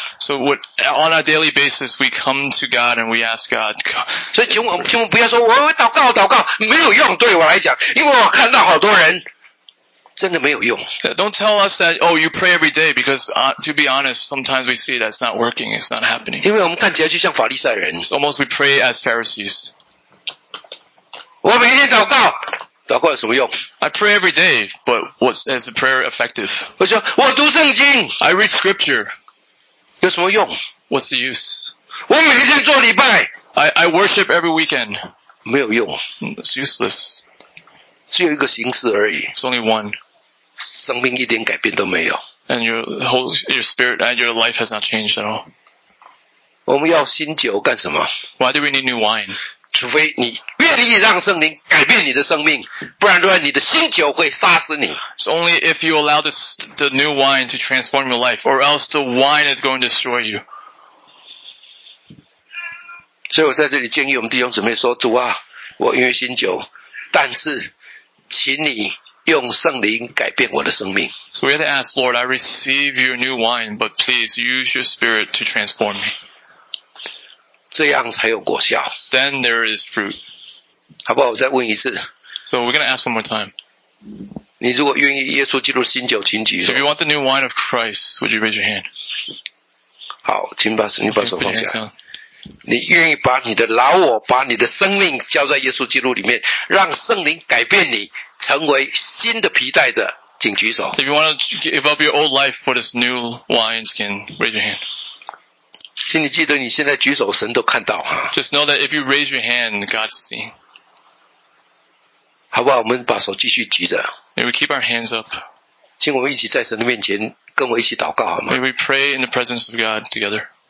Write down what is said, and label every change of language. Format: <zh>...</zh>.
<en>So on a daily basis, we come to God and we ask God.</en> <zh>所以请我不要说我祷告祷告没有用，对我来讲，因为我看到好多人真的没有用。</zh> <en>Don't tell us that, oh, you pray every day, because, to be honest, sometimes we see that's not working, it's not happening.</en> <zh>因为我们看起来就像法利赛人。</zh> <en>It's almost we pray as Pharisees.</en> <zh>我每天祷告，祷告有什么用？</zh> <en>I pray every day, but is the prayer effective?</en> <zh>我说，我读圣经。</zh> <en>I read scripture.</en> <zh>有什么用？</zh> <en>What's the use?</en> <zh>我每天做礼拜。</zh> <en>I worship every weekend.</en> <zh>没有用。</zh> <en>It's useless.</en> <zh>只有一个形式而已。</zh> <en>It's only one.</en> <zh>生命一点改变都没有。</zh> <en>And your whole, your spirit and your life has not changed at all.</en> <zh>我们要新酒干什么？</zh> <en>Why do we need new wine?</en> <zh>除非你愿意让圣灵改变你的生命，不然的话，你的新酒会杀死你。</zh> <en>It's only if you allow the new wine to transform your life, or else the wine is going to destroy you.</en> <zh>所以我在这里建议我们弟兄姊妹说，主啊，我愿意新酒，但是请你用圣灵改变我的生命。</zh> <en>So we had to ask, Lord, I receive your new wine, but please use your spirit to transform me.</en> <zh>这样才有果效。</zh> <en>Then there is fruit.</en> <zh>好不好，我再问一次。</zh> <en>So we're going to ask one more time.</en> <zh>你如果愿意耶稣基督新酒，请举手。</zh> <en>So if you want the new wine of Christ, would you raise your hand?</en> <zh>好，请把手放下。你愿意把你的老我，把你的生命交在耶稣基督里面，让圣灵改变你，成为新的皮带的，请举手。</zh> <en>If you want to give up your old life for this new wineskin, raise your hand.</en> <zh>请你记得你现在举手，神都看到哈。</zh> <en>Just know that if you raise your hand, God sees.</en> <zh>好不好，我们把手继续举着。</zh> <en>May we keep our hands up.</en> <zh>请我们一起在神的面前，跟我一起祷告好吗？</zh> <en>May we pray in the presence of God together.</en>